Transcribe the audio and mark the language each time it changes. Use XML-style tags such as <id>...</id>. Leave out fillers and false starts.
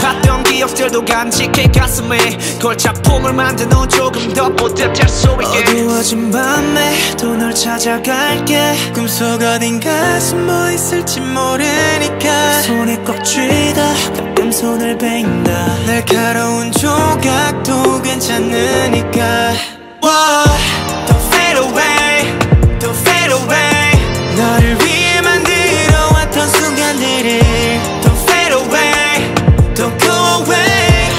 <ko>아팠던 기억들도 간직해 가슴에 걸작품을 만드는 너 조금 더 뿌듯할 수 있게. 어두워진 밤에 또 널 찾아갈게. 꿈속 어딘가에서 뭐 있을지 모르니까 손에 꽉 쥐다 가끔 손을 베인다. 날카로운 조각도 괜찮으니까.</ko> <en>Don't fade away, don't fade away.</en> <ko>너를 위해 만들어 왔던 순간들이.</ko> <en>Don't fade away, don't go away.</en>